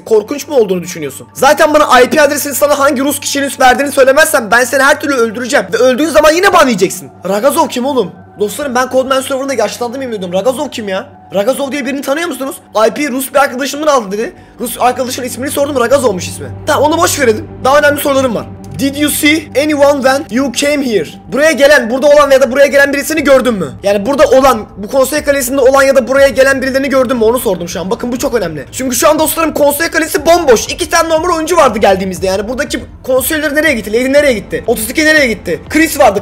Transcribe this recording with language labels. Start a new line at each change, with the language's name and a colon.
Turkish: Korkunç mu olduğunu düşünüyorsun? Zaten bana IP adresini sana hangi Rus kişinin verdiğini söylemezsen ben seni her türlü öldüreceğim. Ve öldüğün zaman yine ban yiyeceksin. Ragazov kim oğlum? Dostlarım ben Codman server'ında yaşlandığımı bilmiyordum. Ragazov kim ya? Ragazov diye birini tanıyor musunuz? IP Rus bir arkadaşımdan aldı dedi. Rus arkadaşın ismini sordum, Ragazov'muş ismi. Tamam onu boş verelim. Daha önemli sorularım var.
English: Did you see anyone when you came here?
Turkish: Buraya gelen, burada olan ya da buraya gelen birisini gördün mü? Yani burada olan, bu konsey kalesinde olan ya da buraya gelen birilerini gördün mü? Onu sordum şu an. Bakın bu çok önemli. Çünkü şu an dostlarım konsey kalesi bomboş. İki tane normal oyuncu vardı geldiğimizde. Yani buradaki konseyleri nereye gitti? Lady nereye gitti? 32 nereye gitti? Chris vardı.